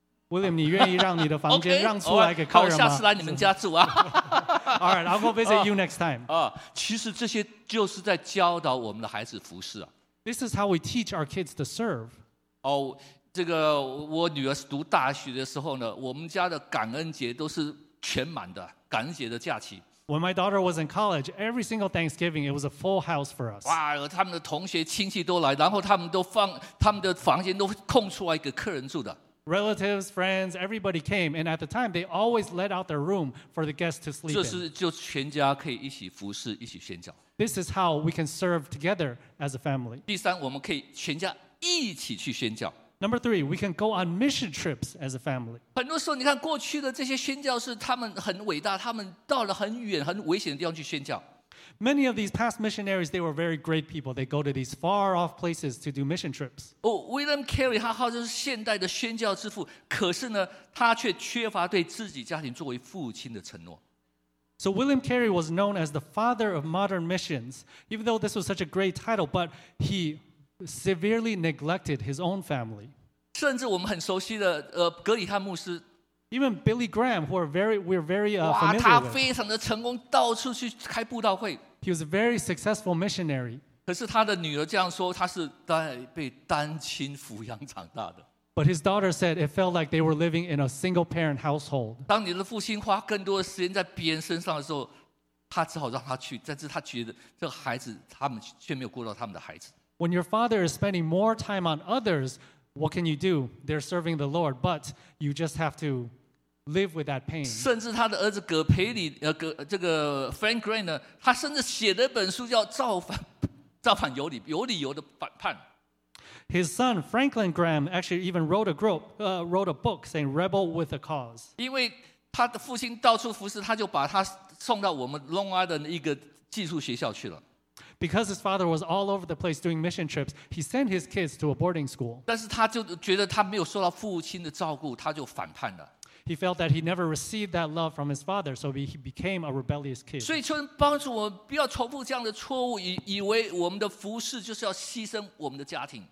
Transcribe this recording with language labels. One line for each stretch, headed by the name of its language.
Chinese: William, 你愿意让你的房间让出来给客人吗？好，下次来你们家住啊。
English: All right, I'll go visit you next time.
Chinese: 其实这些就是在教导我们的孩子服事啊。
English: This is how we teach our kids to serve.
Chinese: 哦，这个我女儿读大学的时候呢，我们家的感恩节都是全满的，感恩节的假期。
English: When my daughter was in college, every single Thanksgiving, it was a full house for us.
Chinese: 哇，他们的同学亲戚都来，然后他们的房间都空出来给客人住的。
English: Relatives, friends, everybody came, and at the time, they always let out their room for the guests to sleep in.
Chinese: 这是就全家可以一起服侍，一起宣教。
English: This is how we can serve together as a family.
Chinese: 第三，我们可以全家一起去宣教。
English: Number three, we can go on mission trips as a family.
Chinese: 很多时候，你看过去的这些宣教士，他们很伟大，他们到了很远、很危险的地方去宣教。
English: Many of these past missionaries, they were very great people. They go to these far-off places to do mission trips.
Chinese: Oh, William Carey, 他号称是现代的宣教之父，可是呢，他却缺乏对自己家庭作为父亲的承诺。
English: So William Carey was known as the father of modern missions, even though this was such a great title, but he severely neglected his own family.
Chinese: 甚至我们很熟悉的格里汉牧师。
English: Even Billy Graham, who are very, we're very familiar with.
Chinese: 哇，他非常的成功，到处去开布道会。
English: He was a very successful missionary.
Chinese: 可是他的女儿这样说，他是在被单亲抚养长大的。
English: But his daughter said it felt like they were living in a single-parent household.
Chinese: 当你的父亲花更多的时间在别人身上的时候，他只好让他去，但是他觉得这个孩子，他们却没有顾到他们的孩子。
English: When your father is spending more time on others,What can you do? They're serving the Lord, but you just have to live with that pain.
Chinese: 甚至他的儿子葛培里，这个 Frank Gray 呢，他甚至写了一本书叫《造反有理，有理由的反叛》。
English: His son Franklin Graham actually even wrote a group, wrote a book saying "Rebel with a Cause."
Chinese: 因为他的父亲到处服侍，他就把他送到我们 Long Island 一个技术学校去了。
English: Because his father was all over the place doing mission trips, he sent his kids to a boarding school.
Chinese: 但是他就觉得他没有受到父亲的照顾，他就反叛了。
English: He felt that he never received that love from his father, so he became a rebellious kid.
Chinese: 所以求神帮助我们不要重复这样的错误，以为我们的服事就是要牺牲我们的家庭。